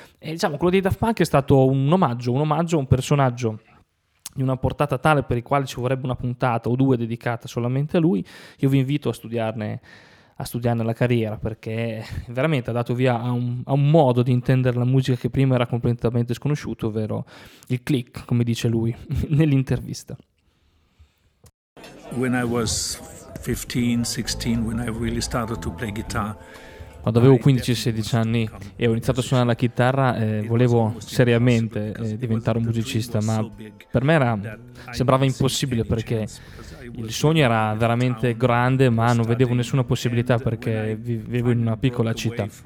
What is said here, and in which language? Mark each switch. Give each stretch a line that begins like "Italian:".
Italian: E diciamo, quello dei Daft Punk è stato un omaggio a un personaggio di una portata tale per il quale ci vorrebbe una puntata o due dedicata solamente a lui. Io vi invito a studiarne la carriera, perché veramente ha dato via a un modo di intendere la musica che prima era completamente sconosciuto, ovvero il click, come dice lui nell'intervista.
English: When I was 15, 16, when I really started to play guitar,
Italian: quando avevo 15-16 anni e ho iniziato a suonare la chitarra, volevo seriamente diventare un musicista, ma per me sembrava impossibile, perché il sogno era veramente grande, ma non vedevo nessuna possibilità perché vivevo in una piccola città.